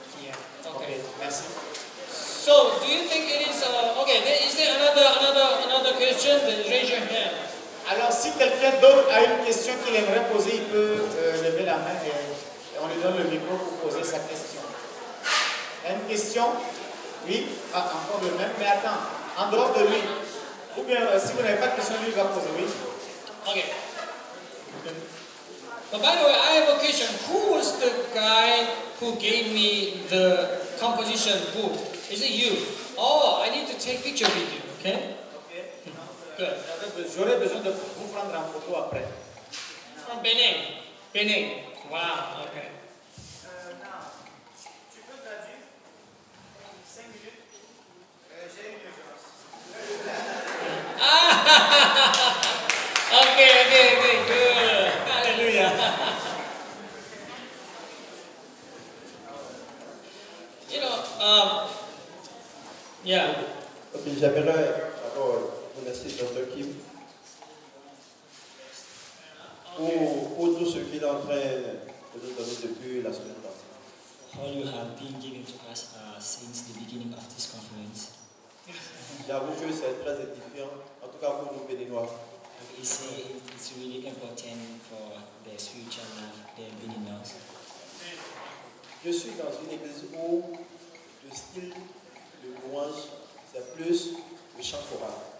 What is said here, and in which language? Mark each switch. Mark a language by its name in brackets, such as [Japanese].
[English] Yeah. Okay. [French] Okay. Merci. [English] So, do you think it is... okay, is there another question? Then raise your hand. [French] Alors, si quelqu'un d'autre a une question qu'il aimerait poser, il peut lever la main et on lui donne le micro pour poser sa question. Une question? Oui? Ah, encore le même, mais attends, en dehors de lui. Ou bien, si vous n'avez pas de question, lui, il va poser, oui? Ok. [English] But by the way, I have a question. Who was the guy who gave me the composition book? Is it you? Oh, I need to take picture with you, ok? Good. [French] J'aurai besoin de vous prendre en photo après. [English] From Benin. Benin. Wow, okay. [French] Now, tu peux traduire? 5 minutes. J'ai une urgence. [English] Okay, good. Hallelujah. You know, yeah. [French] Okay, j'aimerais d'abord. Merci, Dr. Kim, pour tout ce qu'il est en train de nous donner depuis la semaine passée. [English] All you have been giving to us since the beginning of this conference. [French] J'avoue que c'est très édifiant, en tout cas pour nous Béninois. [English] He said it's really important for their future life, their Béninois. [French] Je suis dans une église où le style de louange, c'est plus le chant choral.